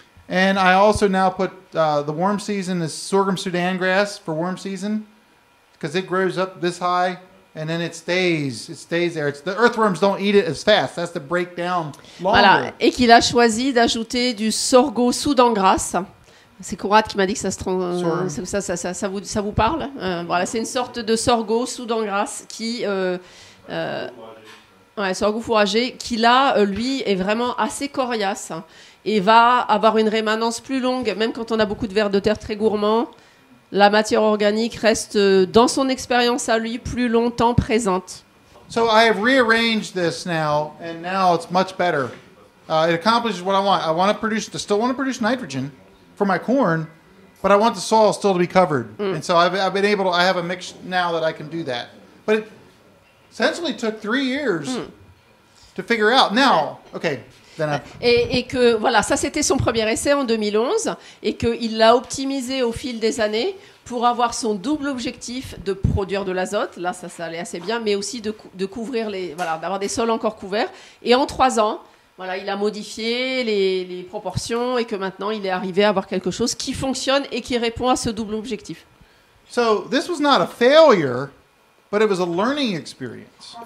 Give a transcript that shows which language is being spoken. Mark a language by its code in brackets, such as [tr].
[en] And I also now put the warm season is sorghum Sudan grass for warm season, because it grows up this high and then it stays there. It's, the earthworms don't eat it as fast. That's the breakdown. Longer. [fr] Voilà. Et qu'il a choisi d'ajouter du sorgho Sudan grass. C'est Kourad qui m'a dit que ça vous parle. Voilà, c'est une sorte de sorgho Sudan grass qui sorgho fourragé qui là lui est vraiment assez coriace. Et va avoir une rémanence plus longue, même quand on a beaucoup de vers de terre très gourmands, la matière organique reste, dans son expérience à lui, plus longtemps présente. [en] So I have rearranged this now, and now it's much better. It accomplishes what I want. I want to produce, I still want to produce nitrogen for my corn, but I want the soil still to be covered. Mm. And so I've been able to, I have a mix now that I can do that. But it essentially took 3 years to figure out. Now, okay. [fr] Et que, voilà, ça c'était son premier essai en 2011, et qu'il l'a optimisé au fil des années pour avoir son double objectif de produire de l'azote, là ça allait assez bien, mais aussi de couvrir les, voilà, d'avoir des sols encore couverts. Et en 3 ans, voilà, il a modifié les proportions et que maintenant il est arrivé à avoir quelque chose qui fonctionne et qui répond à ce double objectif. [en] So, this was not a failure. But it was a learning experience.